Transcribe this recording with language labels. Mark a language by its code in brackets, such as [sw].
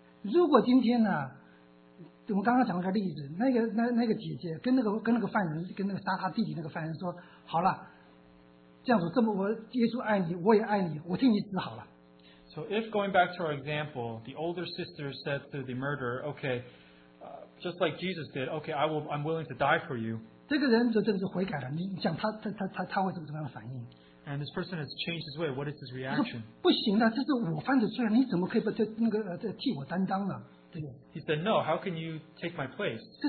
[zh] 如果今天呢, 我们刚刚讲了个例子, 那个姐姐跟那个犯人跟那个杀他弟弟那个犯人说 好了, 我耶稣爱你, 我也爱你, 我替你死好了。 [en] So if going back to our example, the older sister said to the murderer, okay, just like Jesus did, okay, I'm willing to die for you. [zh] 这个人就真是悔改了，你想他会怎么样反应？ [en] And this person has changed his way. What is his reaction? [zh] 不行的，这是我犯的罪，你怎么可以替我担当呢？ [en] He said, no, how can you take my place?